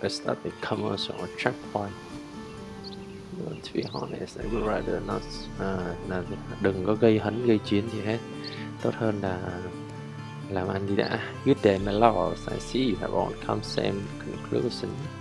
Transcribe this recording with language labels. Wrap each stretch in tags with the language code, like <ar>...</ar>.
<en>Is that a commercial or checkpoint? To be honest, I would rather not.</en> <vi>Đừng có gây hấn gây chiến gì hết. Tốt hơn là làm ăn đi đã.</vi> <en>Good day, my lords. I see you have all come same conclusion.</en>